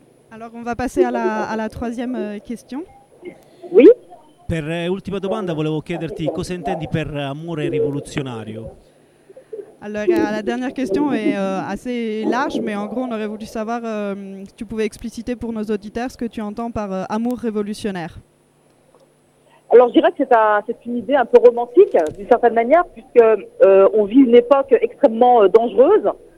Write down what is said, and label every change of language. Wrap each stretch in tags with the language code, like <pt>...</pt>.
<fr>Alors, on va passer à la troisième question. Oui.</fr> <it>Per ultima domanda, volevo chiederti cosa intendi per amore rivoluzionario.</it> <fr>Alors, la dernière question est assez large, mais en gros, on aurait voulu savoir si tu pouvais expliciter pour nos auditeurs ce que tu entends par amour révolutionnaire. Alors, je dirais que c'est une idée un peu romantique, d'une certaine manière, puisque on vit une époque extrêmement dangereuse.</fr>